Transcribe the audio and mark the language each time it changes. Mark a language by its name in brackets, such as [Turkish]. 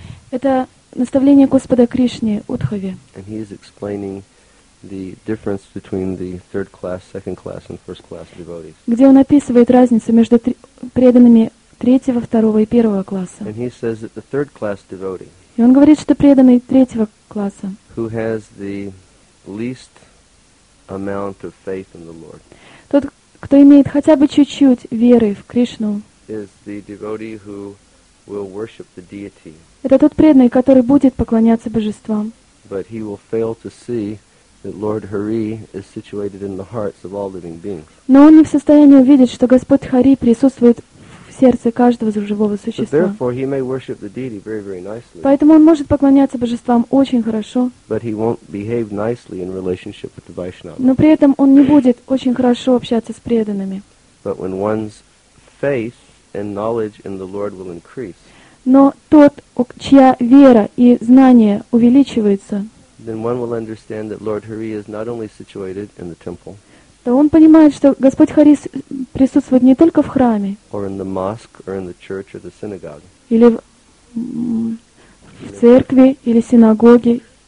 [Russian] Это наставление Господа Кришне Удхаве. [English] And he is explaining the difference between the third class, second class, and first class devotees. [Russian] Где он описывает разницу между преданными третьего, второго и первого класса. [English] And he says that the third class devotee. [Russian] И он говорит, что преданный третьего класса, [English] who has the least amount of faith in the Lord, [Russian] тот, кто имеет хотя бы чуть-чуть веры в Кришну, [English] is the devotee who will worship the deity. [Russian] Это тот преданный, который будет поклоняться божествам. [English] But he will fail to see that Lord Hari is situated in the hearts of all living beings. [Russian] Но он не в состоянии увидеть, что Господь Хари присутствует сердце каждого живого существа. [English] So therefore, he may worship the deity very, very nicely. [Russian] Поэтому он может поклоняться божествам очень хорошо. [English] But he won't behave nicely in relationship with the Vaishnava. [Russian] Но при этом он не будет очень хорошо общаться с преданными. [English] But when one's faith and knowledge in the Lord will increase, [Russian] но тот, чья вера и знание увеличивается, [English] then one will understand that Lord Hari is not only situated in the temple, [Russian] то он понимает, что Господь Хари присутствует не только в храме, или в церкви, или синагоге.